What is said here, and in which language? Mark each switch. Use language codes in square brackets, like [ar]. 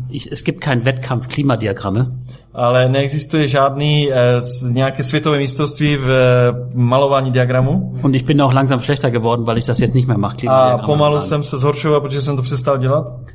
[de] Es gibt keinen Wettkampf Klimadiagramme. [cs] Ale neexistuje žádný nějaké světové mistrovství v malování diagramu. [de] Und ich bin auch langsam schlechter geworden, weil ich das jetzt nicht mehr mache. [cs] A pomalu jsem se zhoršoval, protože jsem to přestal dělat.